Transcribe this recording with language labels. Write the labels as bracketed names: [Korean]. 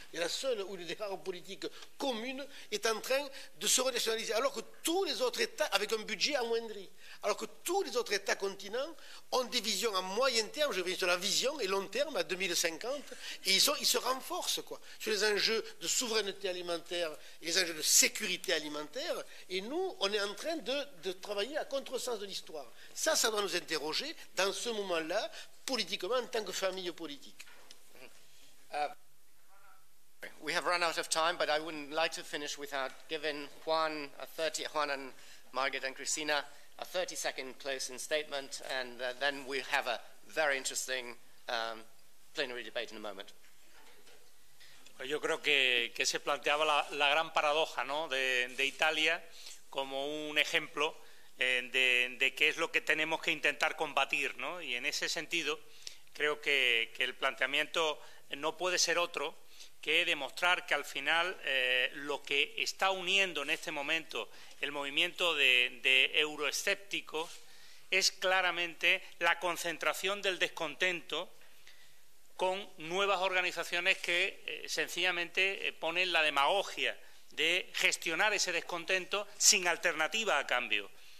[French] Et la seule où les rares politiques communes est en train de se renationaliser, alors que tous les autres États, avec un budget amoindri, alors que tous les autres États continents ont des visions à moyen terme, je vais sur la vision et long terme, à 2050, et ils se renforcent, quoi, sur les enjeux de souveraineté alimentaire et les enjeux de sécurité alimentaire, et nous, on est en train de travailler à contresens de l'histoire. Ça doit nous interroger, dans ce moment-là, politiquement, en tant que famille politique. [English] We have run out of time, but I wouldn't like to finish without giving Juan and Margaret and Cristina a 30-second closing statement, and then we have a very interesting plenary debate in a moment. [Spanish] Yo creo que se planteaba la gran paradoja, ¿no? De Italia como un ejemplo de qué es lo que tenemos que intentar combatir, ¿no? Y en ese sentido creo que el planteamiento no puede ser otro que demostrar que al final lo que está uniendo en este momento el movimiento de euroescépticos es claramente la concentración del descontento con nuevas organizaciones que sencillamente ponen la demagogia de gestionar ese descontento sin alternativa a cambio.